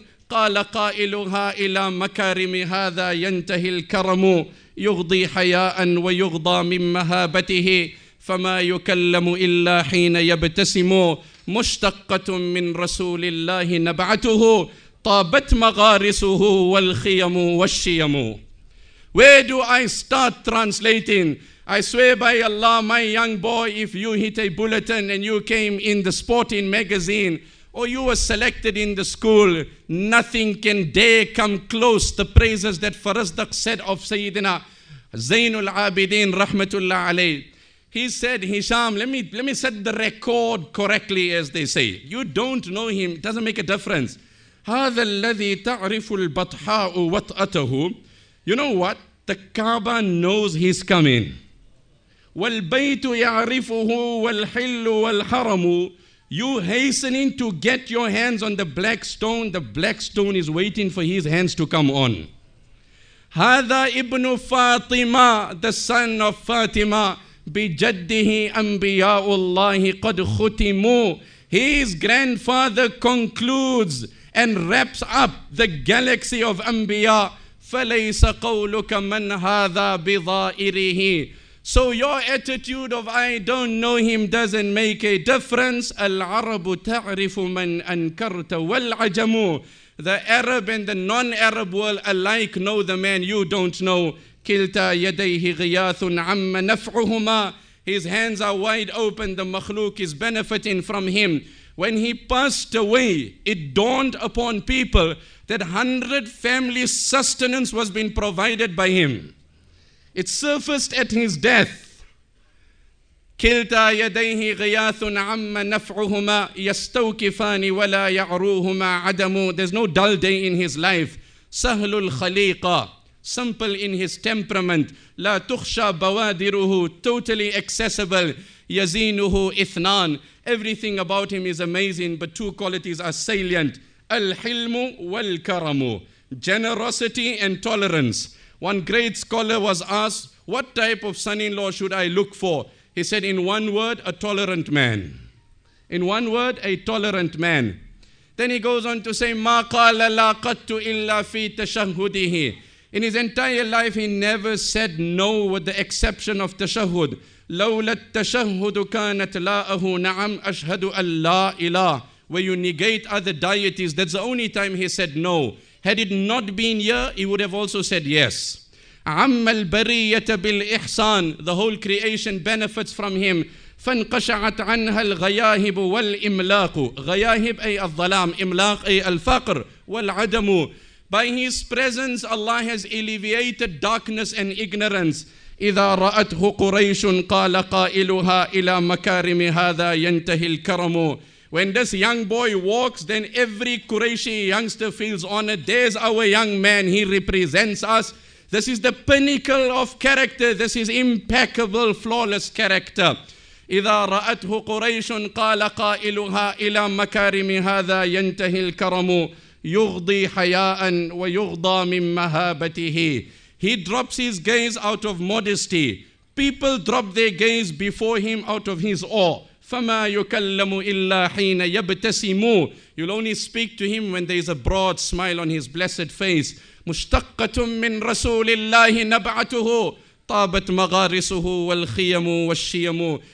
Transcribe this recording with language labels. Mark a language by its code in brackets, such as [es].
[ar] قال قائلها إلى مكارم هذا ينتهي الكرم يغضي حياء ويغضى من مهابته فما يكلم إلا حين يبتسم مشتقة من رسول الله نبعته طابت مغارسه والخيم والشيم [en] Where do I start translating? I swear by Allah, my young boy, if you hit a bulletin and you came in the sporting magazine, or you were selected in the school, nothing can dare come close the praises that Farazdaq said of Sayyidina Zainul Abidin Rahmatullah Alayh. He said, Hisham, let me set the record correctly, as they say. You don't know him, it doesn't make a difference. [ar] هذا الذي تعرف البطحاء وطأته. [en] You know what? The Kaaba knows he's coming. [ar] والبيت يعرفه والحل والحرم. [en] You hastening to get your hands on the black stone is waiting for his hands to come on. [ar] هذا ابن فاطمة, [en] the son of Fatima, [ar] بجده أنبياء الله قد ختموا. [en] His grandfather concludes and wraps up the galaxy of Anbiya. [ar] فليس قولك من هذا بضائره. [en] So your attitude of I don't know him doesn't make a difference. [ar] العرب تعرف من أنكرت والعجم. [en] The Arab and the non-Arab world alike know the man you don't know. [ar] كلتا يديه غياث عم نفعهما. [en] His hands are wide open. The makhluk is benefiting from him. When he passed away, it dawned upon people that 100 family sustenance was being provided by him. It surfaced at his death. [ar] كلتا يديه غياث عم نفعهما يستوكفان ولا يعروهما عدم. [en] There's no dull day in his life. [ar] سهل الخليقة. [en] Simple in his temperament. [ar] لا تخشى بوادره. [en] Totally accessible. [ar] يزينه إثنان. [en] Everything about him is amazing, but two qualities are salient. [ar] الحلم والكرم. [en] Generosity and tolerance. One great scholar was asked, what type of son-in-law should I look for? He said, in one word, a tolerant man. In one word, a tolerant man. Then he goes on to say, [ar] مَا قَالَ لَا قَدْتُ إِلَّا فِي تَشَهُدِهِ. [en] In his entire life, he never said no with the exception of tashahud. [ar] لَوْلَا التَّشَهُدُ كَانَتْ لَاءَهُ نَعَمْ أَشْهَدُ أَلَّا إِلَهِ. [en] Where you negate other deities, that's the only time he said no. Had it not been here, he would have also said yes. [ar] عَمَّ الْبَرِيَّةَ بِالْإِحْسَانِ. [en] The whole creation benefits from him. [ar] فَانْقَشَعَتْ عَنْهَا الْغَيَاهِبُ وَالْإِمْلَاقُ. غَيَاهِبْ أي الظلام, إملاق أي الفقر, وَالْعَدَمُ. [en] By his presence, Allah has alleviated darkness and ignorance. [ar] إِذَا رَأَتْهُ قُرَيْشٌ قَالَ قَائِلُهَا إِلَى مَكَارِمِ هَذَا يَنْتَهِي الْكَرَمُ. [en] When this young boy walks, then every Qurayshi youngster feels honored. There's our young man. He represents us. This is the pinnacle of character. This is impeccable, flawless character. [ar] إذا رأته قريش قال قائلها إلى مكارم هذا ينتهي الكرم يغضي حياء ويغضى من مهابته. [en] He drops his gaze out of modesty. People drop their gaze before him out of his awe. [ar] فَمَا يُكَلَّمُ إِلَّا حِينَ يَبْتَسِمُ. [en] You'll only speak to him when there is a broad smile on his blessed face. [ar] مُشْتَقَّةٌ مِّن رَسُولِ اللَّهِ نَبْعَتُهُ طَابَتْ مَغَارِسُهُ وَالْخِيَمُ وَالشِّيَمُ.